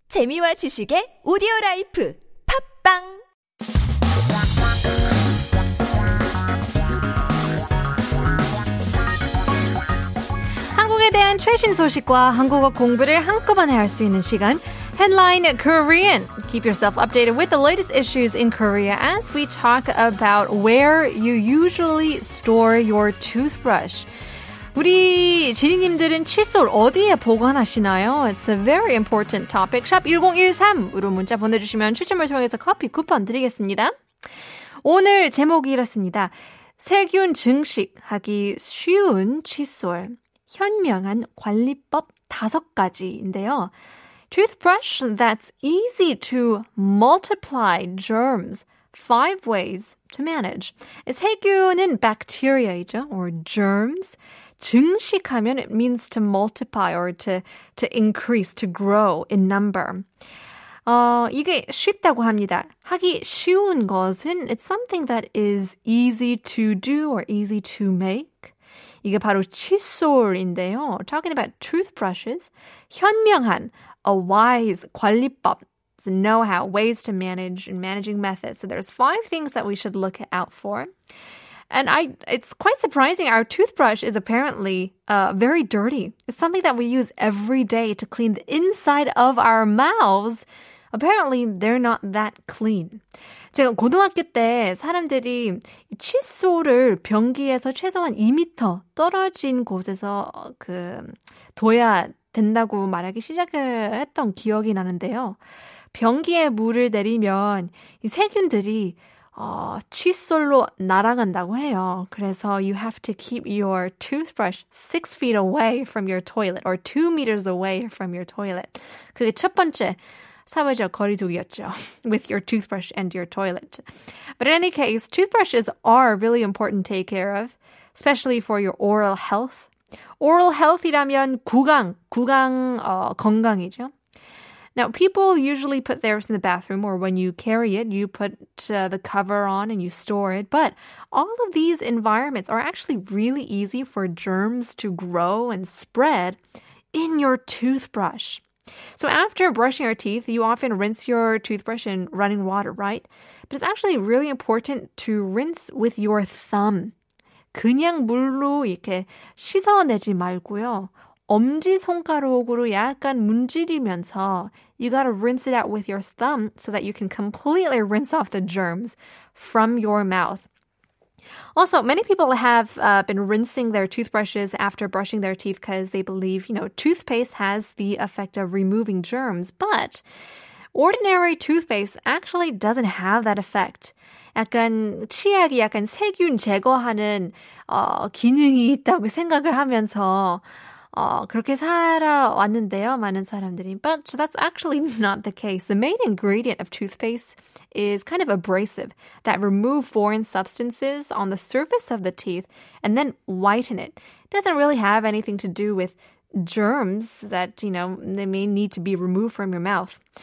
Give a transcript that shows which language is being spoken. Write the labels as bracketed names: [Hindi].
[Korean] 재미와 지식의 오디오 라이프. 팟빵! 한국에 대한 최신 소식과 한국어 공부를 한꺼번에 할 수 있는 시간. [English] Headline Korean. Keep yourself updated with the latest issues in Korea as we talk about where you usually store your toothbrush. [Korean] 우리 지니님들은 칫솔 어디에 보관하시나요? [English] It's a very important topic. [Korean] 샵 1013으로 문자 보내주시면 추첨을 통해서 커피 쿠폰 드리겠습니다. 오늘 제목이 이렇습니다. 세균 증식하기 쉬운 칫솔, 현명한 관리법 다섯 가지인데요. [English] Toothbrush that's easy to multiply germs. Five ways to manage. 세균은 bacteria이죠, or germs. 증식하면 it means to multiply or to increase, to grow in number. [Korean] 이게 쉽다고 합니다. 하기 쉬운 것은 [English] it's something that is easy to do or easy to make. [Korean] 이게 바로 칫솔인데요. [English] Talking about toothbrushes, 현명한, a wise 관리법. Know-how, ways to manage, and managing methods. So there's five things that we should look out for. And it's quite surprising. Our toothbrush is apparently very dirty. It's something that we use every day to clean the inside of our mouths. Apparently, they're not that clean. [Korean] 제가 고등학교 때 사람들이 칫솔을 변기에서 최소한 2m 떨어진 곳에서 둬야 된다고 말하기 시작했던 기억이 나는데요. 변기에 물을 내리면 이 세균들이 칫솔로 날아간다고 해요. [English] 그래서 you have to keep your toothbrush 6 feet away from your toilet or 2 meters away from your toilet. [Korean] 그게 첫 번째 사회적 거리두기였죠. [English] With your toothbrush and your toilet. But in any case, toothbrushes are really important to take care of, especially for your oral health. [Korean] Oral health이라면 구강 건강이죠. [English] Now, people usually put theirs in the bathroom, or when you carry it, you put the cover on and you store it. But all of these environments are actually really easy for germs to grow and spread in your toothbrush. So after brushing your teeth, you often rinse your toothbrush in running water, right? But it's actually really important to rinse with your thumb. [Korean] 그냥 물로 이렇게 씻어내지 말고요. 엄지손가락으로 약간 문지르면서 [English] you gotta rinse it out with your thumb so that you can completely rinse off the germs from your mouth. Also, many people have been rinsing their toothbrushes after brushing their teeth because they believe, you know, toothpaste has the effect of removing germs. But ordinary toothpaste actually doesn't have that effect. [Korean] 약간 치약이 약간 세균 제거하는 기능이 있다고 생각을 하면서 그렇게 살아왔는데요, 많은 사람들이. [English] But that's actually not the case. The main ingredient of toothpaste is kind of abrasive that remove foreign substances on the surface of the teeth and then whiten it. It doesn't really have anything to do with germs that, you know, they may need to be removed from your mouth.